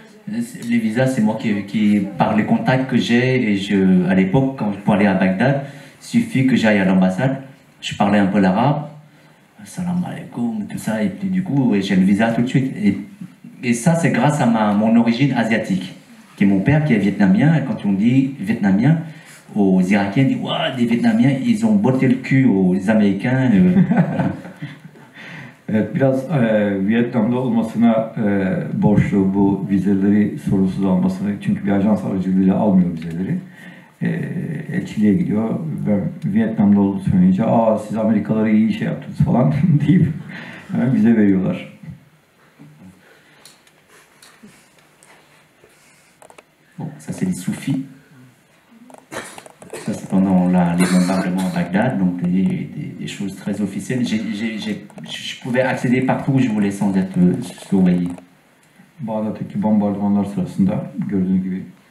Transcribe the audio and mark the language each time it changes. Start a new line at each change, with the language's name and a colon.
French: Les visas, c'est moi qui par les contacts que j'ai, et je, à l'époque, quand je parlais à Bagdad, suffit que j'aille à l'ambassade, je parlais un peu l'arabe,
Arabic: salam alaikum,
French: tout ça, et puis du coup, j'ai le visa tout de suite. Et ça, c'est grâce à mon origine asiatique, qui est mon père, qui est vietnamien, et quand on dit vietnamien, aux Irakiens, ils disent, ouais, les Vietnamiens, ils ont botté le cul aux Américains.
Turkish: Biraz Vietnam'da olmasına borçlu bu vizeleri sorunsuz almasını, çünkü bir ajans aracılığıyla almıyor vizeleri. Elçiliğe gidiyor. Ben Vietnam'da olduğunu söyleyince, aa siz Amerikalıları iyi şey yaptınız falan deyip hemen vize veriyorlar.
French: Ça c'est les soufis. Ça c'est pendant les bombardements à Bagdad, donc des choses très officielles. Je pouvais accéder partout où je voulais sans être surveillé.
Turkish: Bağdat'taki bombardımanlar sırasında gördüğünüz gibi.